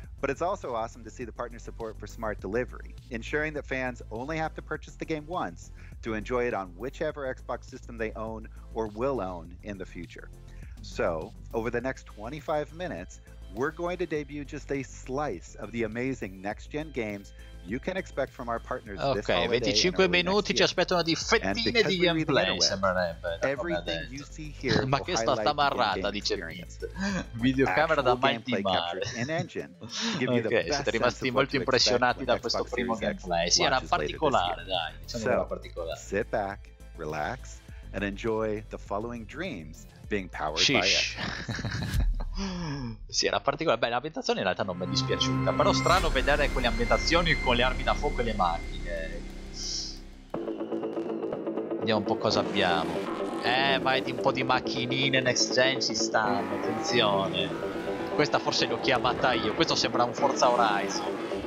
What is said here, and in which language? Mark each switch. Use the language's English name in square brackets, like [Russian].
[English] But it's also awesome to see the partner support for smart delivery, ensuring that fans only have to purchase the game once to enjoy it on whichever Xbox system they own or will own in the future. So, over the next 25 minutes, we're going to debut just a slice of the amazing next-gen games you can expect from our partners this holiday. [Italian] Ok, 25 minuti, ci aspettano di fettine di gameplay, sembrerebbe. [English] Everything you see here. [Italian] Ma che sta tamarrata, dice Pete. Videocamera da mai timare. Ok, siete rimasti molto impressionati da questo primo gameplay. Sì, era particolare, dai. Diciamo che era particolare. [English] Sit back, relax, and enjoy the following dreams being powered by it. [Italian] Sì, era particolare. Beh, l'ambientazione in realtà non mi è dispiaciuta, però strano vedere quelle ambientazioni con le armi da fuoco e le macchine. Vediamo un po' cosa abbiamo. Vai di un po' di macchinine next gen ci stanno, attenzione. Questa forse l'ho chiamata io, questo sembra un Forza Horizon.